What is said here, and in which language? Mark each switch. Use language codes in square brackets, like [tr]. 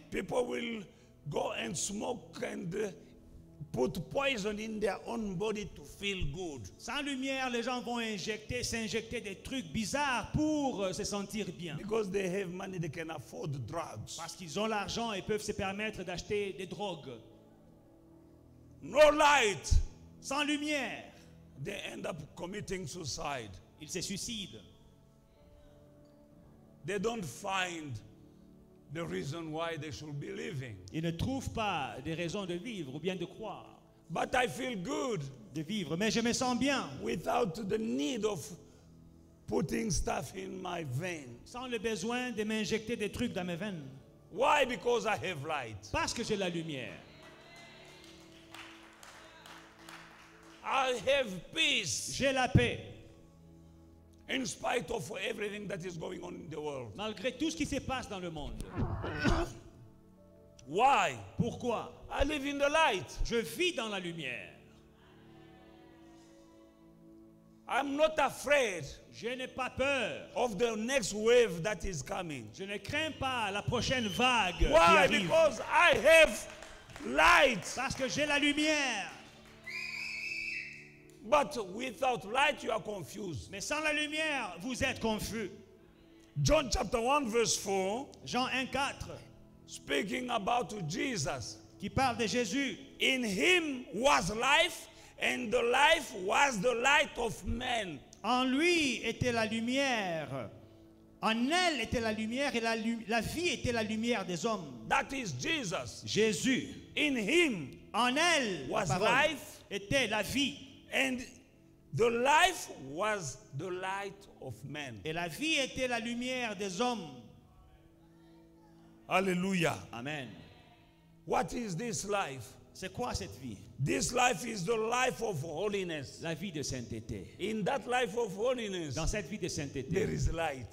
[en] People will go and smoke and put poison in their own body to feel good. [fr] Sans lumière, les gens vont s'injecter des trucs bizarres pour se sentir bien. [en] Because they have money, they can afford drugs. [fr] Parce qu'ils ont l'argent et peuvent se permettre d'acheter des drogues. [en] No light. [fr] Sans lumière. [en] They end up committing suicide. [fr] Ils se suicident. [en] They don't find the reason why they should be living. [fr] Ils ne trouvent pas des raisons de vivre ou bien de croire. [en] But I feel good. [fr] De vivre, mais je me sens bien. [en] Without the need of putting stuff in my veins. [fr] Sans le besoin de m'injecter des trucs dans mes veines. [en] Why? Because I have light. [fr] Parce que j'ai la lumière. [en] I have peace. [fr] J'ai la paix. [en] In spite of everything that is going on in the world. [fr] Malgré tout ce qui se passe dans le monde. [en] Why? [fr] Pourquoi? [en] I live in the light. [fr] Je vis dans la lumière. [en] I'm not afraid. [fr] Je n'ai pas peur. [en] Of the next wave that is coming. [fr] Je ne crains pas la prochaine vague. [en] Why? Because I have light. [fr] Parce que j'ai la lumière. [en] But without light, you are confused. [fr] Mais sans la lumière, vous êtes confus. [en] John chapter 1 verse 4. [fr] Jean 1 4. [en] Speaking about Jesus. [fr] Qui parle de Jésus. [en] In him was life, and the life was the light of men. [fr] En lui était la lumière. En elle était la lumière et la vie était la lumière des hommes. [en] That is Jesus. [fr] Jésus. [en] In him. [fr] En elle [en] was [fr] la parole, [en] life. [fr] Était la vie. [en] And the life was the light of men. [fr] Et la vie était la lumière des hommes. Alléluia. Amen. [en] What is this life? [fr] C'est quoi cette vie? [en] This life is the life of holiness. [fr] La vie de sainteté. [en] In that life of holiness. [fr] Dans cette vie de sainteté. [en] There is light.